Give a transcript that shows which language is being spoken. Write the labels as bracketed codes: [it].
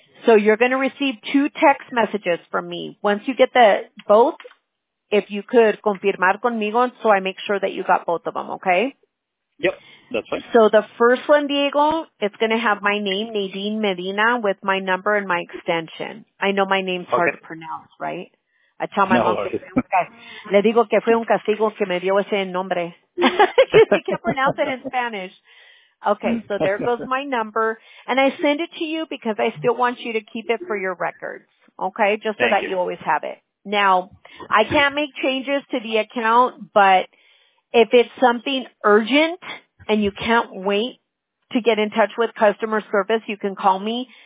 [en] So you're going to receive two text messages from me. Once you get the both, if you could [es] confirmar conmigo [en] so I make sure that you got both of them, okay? Yep, that's fine. So the first one, Diego, it's going to have my name, Nadine Medina, with my number and my extension. I know my name's okay. hard to pronounce, right? I tell my no, mom, [es] le digo que fue un castigo que me dio ese nombre. [en] You can't pronounce it in Spanish. Okay, so there goes my number. And I send it to you because I still want you to keep it for your records, okay, just so Thank that you. You always have it. Now, I can't make changes to the account, but if it's something urgent and you can't wait to get in touch with customer service, you can call me.